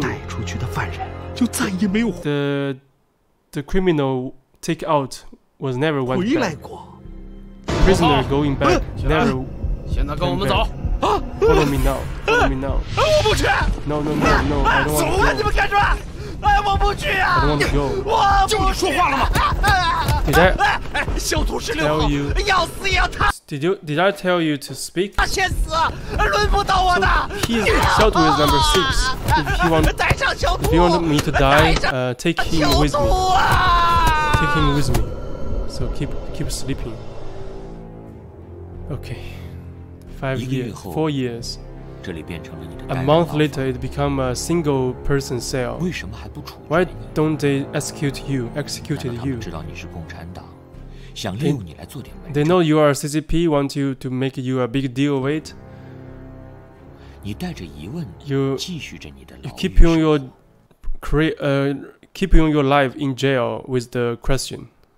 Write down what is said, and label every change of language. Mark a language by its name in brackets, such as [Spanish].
[Chinese] 带出去的犯人就再也没有。 [English] The criminal take out was never went back. [Chinese] 回来过。 [English] Prisoner going back never. [Chinese] 现在跟我们走。 [English] Follow me now. Follow me now. [Chinese] 我不去。 [English] No. I don't want to go. [Chinese] 走啊！你们干什么？哎，我不去啊！ [English] I don't want to go. [Chinese] 我不去，就你说话了吗？小兔十六号，要死也要他。 [English] Did I tell you to speak? [Chinese] 他先死，轮不到我的。 [English] 小兔 is number six. If you want, [Chinese] 带上小兔。 [English] If you want me to die, take him with me. 啊、 take him with me. So keep sleeping. Okay, 5 years, 4 years. [Chinese] 这里变成了你的。 [English] A month later, it become a single person cell. [Chinese] 为什么还不处决你？ [English] Why don't they execute you? Executed you? [Chinese] 知道你是共产党，想利用你来做点文章。 [English] They know you are CCP. Want you to make you a big deal of it? [Chinese] 你带着疑问，继续着你的牢狱。 [English] You keeping your keeping your life in jail with the question.